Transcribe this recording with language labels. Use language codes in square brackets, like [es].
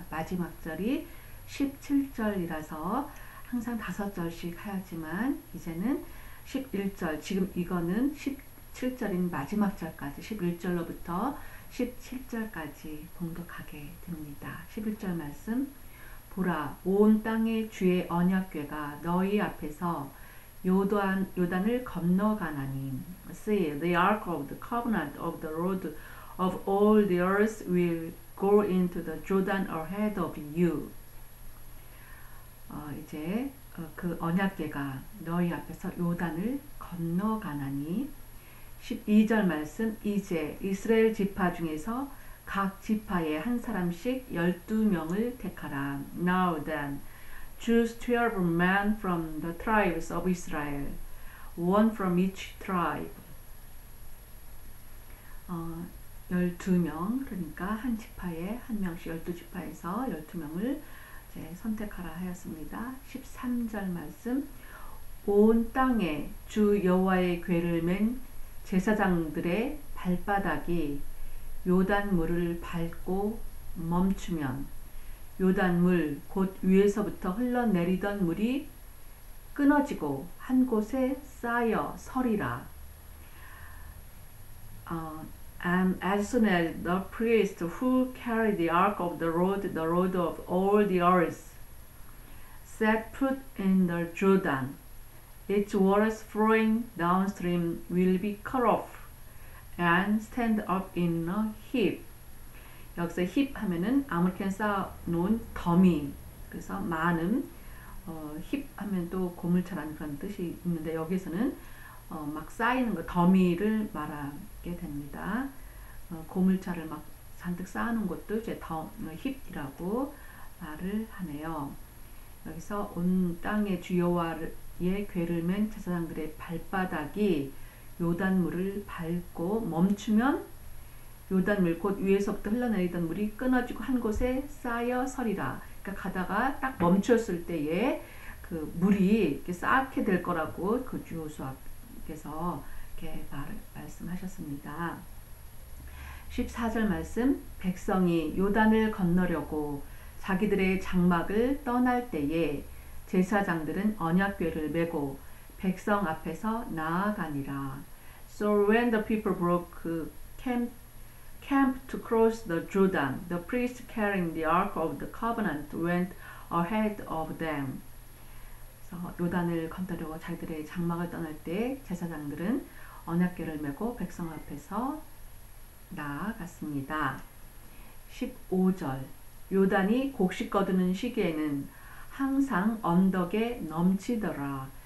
[ko] 마지막 절이 17절이라서 항상 5절씩 하였지만 이제는 11절, 지금 이거는 17절인 마지막 절까지 11절로부터 17절까지 봉독하게 됩니다. 11절 말씀. 보라, 온 땅의 주의 언약궤가 너희 앞에서 요단을 건너가나니. [en] See, the ark of the covenant of the Lord of all the earth will go into the Jordan ahead of you. [ko] 이제 그 언약궤가 너희 앞에서 요단을 건너가나니. 12절 말씀, 이제 이스라엘 지파 중에서 각 지파에 한 사람씩 12명을 택하라. [en] Now then, choose 12 men from the tribes of Israel, one from each tribe. [ko] 12명, 그러니까 한 지파에 한 명씩 12지파에서 12명을 이제 선택하라 하였습니다. 13절 말씀, 온 땅에 주 여호와의 궤를 맨 제사장들의 발바닥이 요단물을 밟고 멈추면 요단물 곧 위에서부터 흘러내리던 물이 끊어지고 한 곳에 쌓여 서리라. [en] And as soon as the priest who carried the ark of the Lord of all the earth, set foot in the Jordan, its waters flowing downstream will be cut off and stand up in a heap. [ko] 여기서 heap 하면은 아무렇게나 쌓아놓은 더미. 그래서 많은 heap 하면 또 고물처럼 그런 뜻이 있는데 여기서는 막 쌓이는 거 더미를 말하게 됩니다. 고물처를 막 잔뜩 쌓아놓은 것도 이제 heap이라고 말을 하네요. 여기서 온 땅의 주여와를 예, 궤를 맨 제사장들의 발바닥이 요단물을 밟고 멈추면 요단물 곧 위에서부터 흘러내리던 물이 끊어지고 한 곳에 쌓여 서리라. 그러니까 가다가 딱 멈췄을 때에 그 물이 이렇게 쌓게 될 거라고 그 여호수아께서 이렇게 말씀하셨습니다. 14절 말씀, 백성이 요단을 건너려고 자기들의 장막을 떠날 때에 제사장들은 언약궤를 메고 백성 앞에서 나아가니라. [en] So when the people broke camp to cross the Jordan, the priest carrying the ark of the covenant went ahead of them. [ko] 요단을 건너려고 자기들의 장막을 떠날 때 제사장들은 언약궤를 메고 백성 앞에서 나아갔습니다. 15절. 요단이 곡식 거두는 시기에는 항상 언덕에 넘치더라.